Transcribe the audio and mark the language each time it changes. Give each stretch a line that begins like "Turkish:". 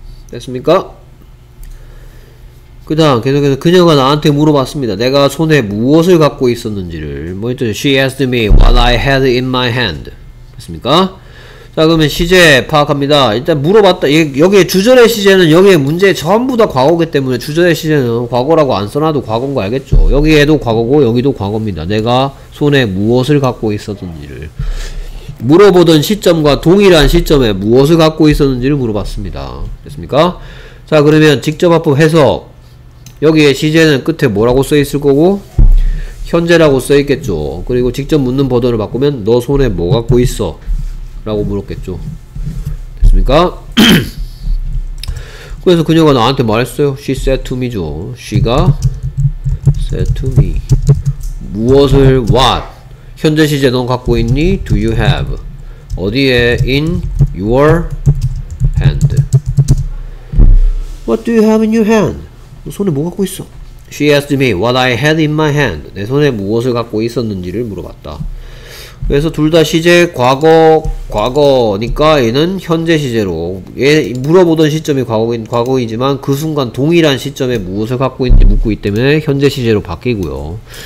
Korean: 됐습니까? 그다음 계속해서 그녀가 나한테 물어봤습니다. 내가 손에 무엇을 갖고 있었는지를. 뭐 했죠?
English: She asked me what I had in my hand.
Korean: 됐습니까? 자 그러면 시제 파악합니다. 일단 물어봤다. 여기에 주절의 시제는 여기에 문제 전부 다 과거기 때문에 주절의 시제는 과거라고 안 써놔도 과거인 거 알겠죠? 여기에도 과거고 여기도 과거입니다. 내가 손에 무엇을 갖고 있었는지를. 물어보던 시점과 동일한 시점에 무엇을 갖고 있었는지를 물어봤습니다. 됐습니까? 자 그러면 직접 앞부 해석. 여기에 시제는 끝에 뭐라고 써있을 거고 현재라고 써있겠죠. 그리고 직접 묻는 버전을 바꾸면 너 손에 뭐 갖고 있어? 라고 물었겠죠. 됐습니까? 그래서 그녀가 나한테 말했어요.
English: She said to me죠. She가 said to me 무엇을 what
Korean: 현재 시제 넌 갖고 있니?
English: Do you have 어디에 in your hand What do you have in your hand?
Korean: 너 손에 뭐 갖고 있어?
English: She asked me what I had in my hand.
Korean: 내 손에 무엇을 갖고 있었는지를 물어봤다. 그래서 둘 다 시제 과거니까 얘는 현재 시제로 얘 물어보던 시점이 과거이지만 그 순간 동일한 시점에 무엇을 갖고 있는지 묻고 있기 때문에 현재 시제로 바뀌고요.